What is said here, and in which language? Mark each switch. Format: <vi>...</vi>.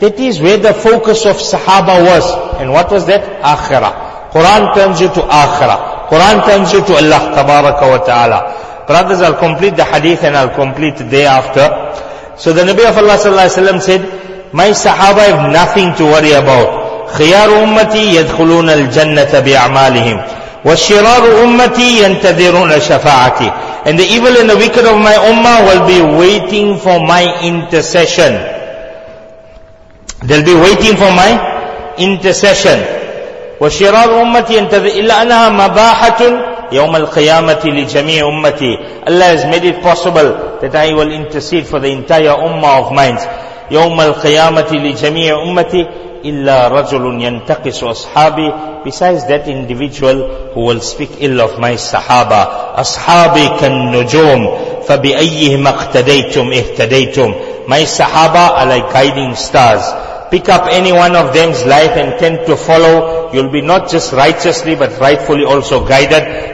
<en>That is where the focus of Sahaba was. And what was that? Akhirah. Quran turns you to Akhirah. Quran turns you to Allah Tabaraka wa Ta'ala. Brothers, I'll complete the Hadith and I'll complete the day after. So the Nabi of Allah Sallallahu Alaihi Wasallam said, my Sahaba have nothing to worry about.</en> <ar>خيار أمتي يدخلون الجنة بأعمالهم وشرار أمتي ينتظرون شفاعتي.</ar> <en>And the evil and the wicked of my ummah will be waiting for my intercession. They'll be waiting for my intercession.</en> <ar>وشرار أمتي ينتظر إلا أنها مباحة يوم القيامة لجميع أمتي.</ar> <en>Allah has made it possible that I will intercede for the entire ummah of mine.</en> <ar>يوم القيامة لجميع أمتي إلا رجل ينتقص أصحابي.</ar> <en>Besides that individual who will speak ill of my Sahaba.</en> <ar>أصحابي كالنجوم فبأيهما اقتديتم اهتديتم.</ar> <en>My Sahaba are like guiding stars. Pick up any one of them's life and tend to follow. You'll be not just righteously but rightfully also guided.</en>